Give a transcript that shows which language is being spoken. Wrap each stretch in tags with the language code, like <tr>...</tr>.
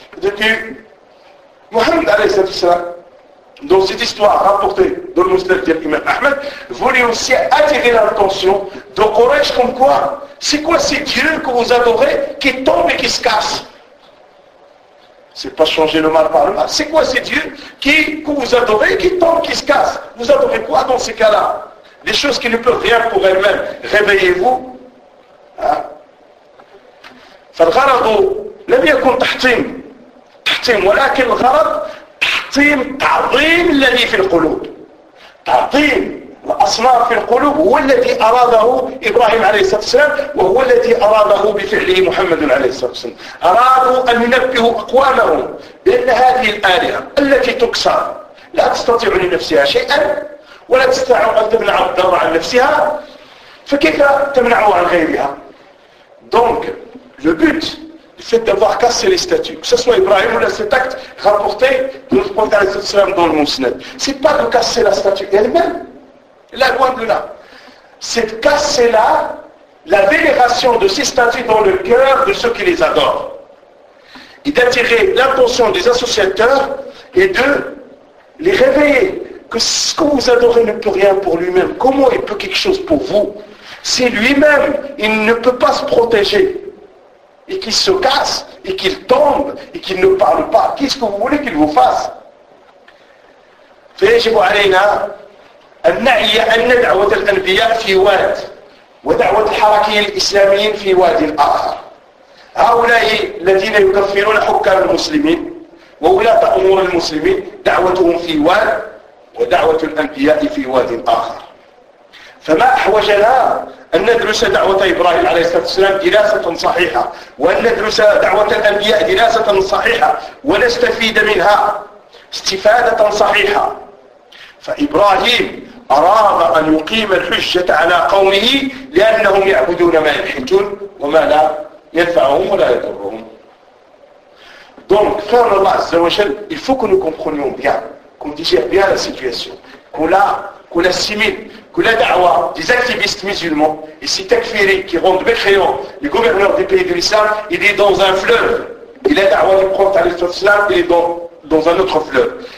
<fr>Depuis Mohammed alayhi salatu salam, dans cette histoire rapportée dans le Mousnad de l'imam Ahmed, voulait aussi attirer l'attention de Quraysh comme quoi c'est quoi ces dieux que vous adorez qui tombent et qui se cassent. C'est pas changer le mal par le mal. C'est quoi ces dieux que vous adorez qui tombent, qui se cassent. Vous adorez quoi dans ces cas-là? Des choses qui ne peuvent rien pour elles-mêmes. Réveillez-vous.</fr> <ar>فالغرض لم يكن تحطيم تحطيم ولكن الغرض تحطيم تعظيم الذي في القلوب تعظيم الأصنام في القلوب هو الذي أراده إبراهيم عليه الصلاة والسلام وهو الذي أراده بفعله محمد عليه الصلاة والسلام أرادوا أن ينبهوا أقوامهم بأن هذه الآلهة التي تكسر لا تستطيع لنفسها شيئا ولا تستطيع أن تمنع الضر عن نفسها فكيف تمنعه عن غيرها دونك</ar> <fr>لو بوت le fait d'avoir cassé les statues, que ce soit Ibrahim ou là, cet acte rapporté de notre prophète alayhi salatu salam dans le Mousnad. C'est pas de casser la statue elle-même, là, loin de là. C'est de casser là la vénération de ces statues dans le cœur de ceux qui les adorent. Et d'attirer l'attention des associateurs et de les réveiller. Que ce que vous adorez ne peut rien pour lui-même. Comment il peut quelque chose pour vous? C'est lui-même, il ne peut pas se protéger. Et qu'il se casse, et qu'il tombe, et qu'il ne parle pas. Qu'est-ce que vous voulez qu'il vous fasse?</fr> <ar>فيجب علينا أن نعي أن دعوة الأنبياء في واد ودعوة الحركيين الإسلاميين في واد آخر. هؤلاء الذين يكفرون حكام المسلمين وولاة أمور المسلمين دعوتهم في واد ودعوة الأنبياء في واد آخر. فما أحوجنا أن ندرس دعوة إبراهيم عليه الصلاة والسلام دراسة صحيحة وأن ندرس دعوة الأنبياء دراسة صحيحة ونستفيد منها استفادة صحيحة. فإبراهيم أراد أن يقيم الحجة على قومه لأنهم يعبدون ما يلحتون وما لا ينفعهم ولا يضرهم.</ar> <fr>Donc, frère Allah Azza wa Jal, il faut que nous comprenions bien, qu'on digère bien la situation, qu'on assimile, que la da'wa des activistes musulmans et ces takfiris qui rendent mécréants les gouverneurs des pays de l'islam, il est dans un fleuve. Et la da'wa du prophète alayhi salatu wassalam, il est dans un autre fleuve.</fr>